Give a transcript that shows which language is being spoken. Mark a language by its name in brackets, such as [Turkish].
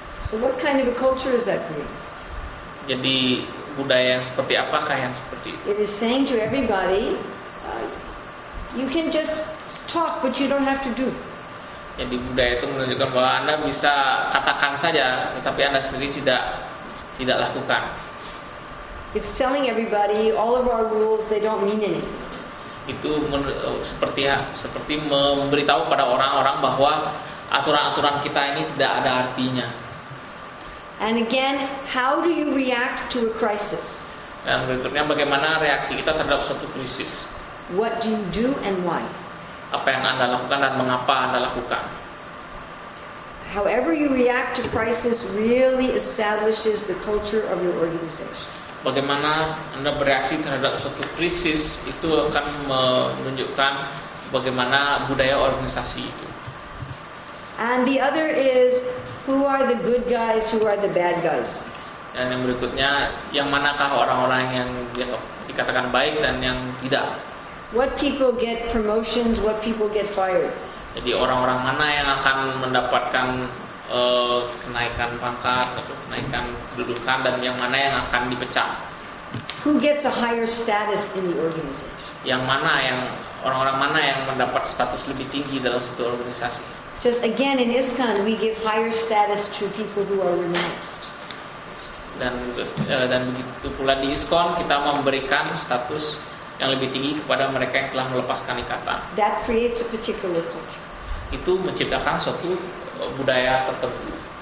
[English] So what kind of a culture is that being? [Indonesian] Jadi budaya yang seperti apakah yang seperti itu? [English] It is saying to everybody, you can just talk, but you don't have to do. [Indonesian] Jadi budaya itu menunjukkan bahwa Anda bisa katakan saja, tetapi Anda sendiri tidak lakukan. [English] It's telling everybody all of our rules they don't mean anything. [Indonesian] Itu seperti memberitahu pada orang-orang bahwa aturan-aturan kita ini tidak ada artinya. [English] And again, how do you react to a crisis? [Indonesian] Dan berikutnya bagaimana reaksi kita terhadap suatu krisis? [English] What do you do and why? [Indonesian] Apa yang Anda lakukan dan mengapa Anda lakukan? [English] However you react to crisis really establishes the culture of your organization. [Indonesian] bagaimana Anda bereaksi terhadap suatu krisis itu akan menunjukkan bagaimana budaya organisasi itu. [English] And the other is, who are the good guys, who are the bad guys? [Indonesian] Dan yang berikutnya, yang manakah orang-orang yang dikatakan baik dan yang tidak? [English] What people get promotions, what people get fired? [Indonesian] Jadi orang-orang mana yang akan mendapatkan kenaikan pangkat atau kenaikan kedudukan dan yang mana yang akan dipecat? [English] Who gets a higher status in the organization? [Indonesian] Yang mana yang orang-orang mana yang mendapat status lebih tinggi dalam suatu organisasi? [English] Just again in ISKCON we give higher status to people who are remixed. [Indonesian] Dan begitu pula di ISKCON kita memberikan status yang lebih tinggi kepada mereka yang telah melepaskan ikatan. [English] That creates a particular culture. [Indonesian] Itu menciptakan suatu budaya tertentu.